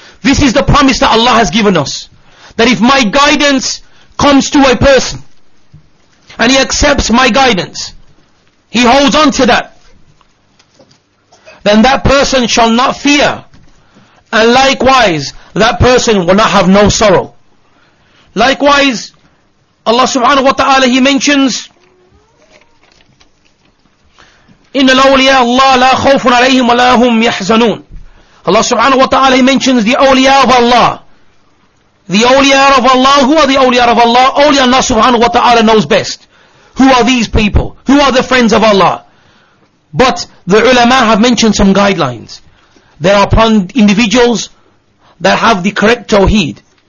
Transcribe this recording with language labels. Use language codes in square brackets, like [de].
[en] This is the promise that Allah has given us. That if my guidance comes to a person, and he accepts my guidance, he holds on to that, then that person shall not fear. And likewise, that person will not have no sorrow. Likewise, Allah subhanahu wa ta'ala, He mentions, [ar] إِنَّ الْأَوْلِيَا اللَّهَ لَا خَوْفٌ عَلَيْهِمْ وَلَا هُمْ يَحْزَنُونَ. [en] Allah subhanahu wa ta'ala, He mentions the awliya of Allah. The awliya of Allah, who are the awliya of Allah? Only Allah subhanahu wa ta'ala knows best. Who are these people? Who are the friends of Allah? But the ulama have mentioned some guidelines. They are upon individuals that have the correct tawheed.